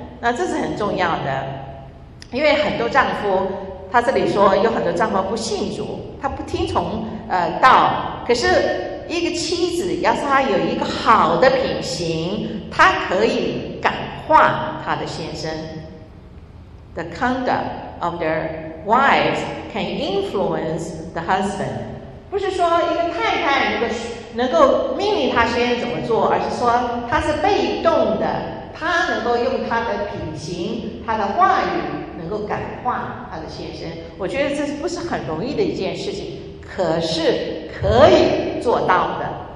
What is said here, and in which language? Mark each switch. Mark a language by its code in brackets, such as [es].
[zh] 那这是很重要的，因为很多丈夫，他这里说有很多丈夫不信主，他不听从道。可是一个妻子要是他有一个好的品行，他可以感化他的先生。 [en] The conduct of their wives can influence the husband。 [zh] 不是说一个太太能够命令他先生怎么做，而是说他是被动的，他能够用他的品行，他的话语能够感化他的先生。我觉得这不是很容易的一件事情，可是可以做到的。